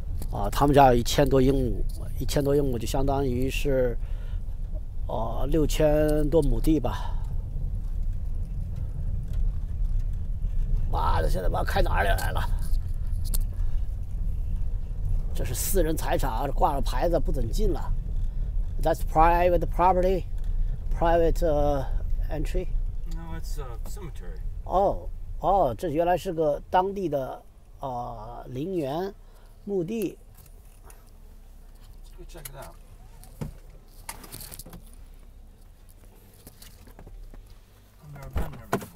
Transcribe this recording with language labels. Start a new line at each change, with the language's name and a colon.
Chinese: 啊，他们家有1000多英亩，1000多英亩就相当于是，6000多亩地吧。妈的，现在把我开哪里来了？这是私人财产，挂了牌子不准进了。
English: That's private property, private entry. No, it's a cemetery.
Chinese: 哦，这原来是个当地的陵园墓地。
English: Check it out. I've never been there